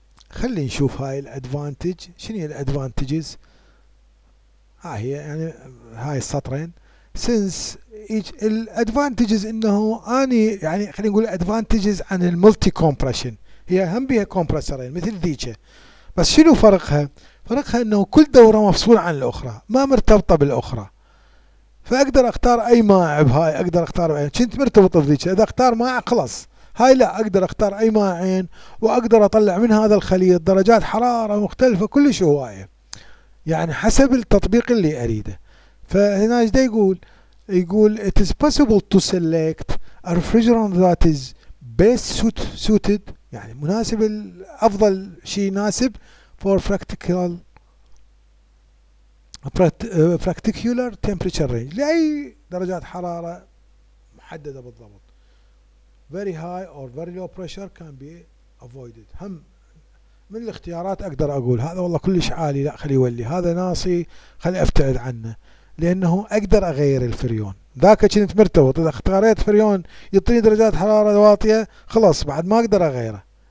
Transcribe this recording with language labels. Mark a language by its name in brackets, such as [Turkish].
[Arabic] خلي نشوف هاي الادفانتج، شنو هي الادفانتجز؟ ها هي يعني هاي السطرين، سينس ايج الادفانتجز انه اني يعني خلينا نقول ادفانتجز عن الملتي كومبريشن، هي هم بيها كومبرسرين مثل ذيك، بس شنو فرقها؟ فرقها انه كل دوره مفصوله عن الاخرى ما مرتبطه بالاخرى، فاقدر اختار اي مائع بهاي، اقدر اختار مائع كنت مرتبطه بذيك، اذا اختار مائع خلص هاي لا، اقدر اختار اي مائعين واقدر اطلع من هذا الخليط درجات حراره مختلفه كلش هوايه يعني حسب التطبيق اللي اريده. فهنا ايش دا يقول؟ يقول [English] it is possible to select a refrigerant that is best suited [Arabic] يعني مناسب، الافضل شيء يناسب [English] for practical practicular temperature range [Arabic] لاي درجات حراره محدده بالضبط، [English] very high or very low pressure can be avoided. [Arabic] هم من الاختيارات اقدر اقول هذا والله كلش عالي لا خلي يولي، هذا ناصي خلي ابتعد عنه لانه اقدر اغير الفريون، ذاك كنت مرتبط اذا اختاريت فريون يعطيني درجات حراره واطيه خلاص بعد ما اقدر اغيره.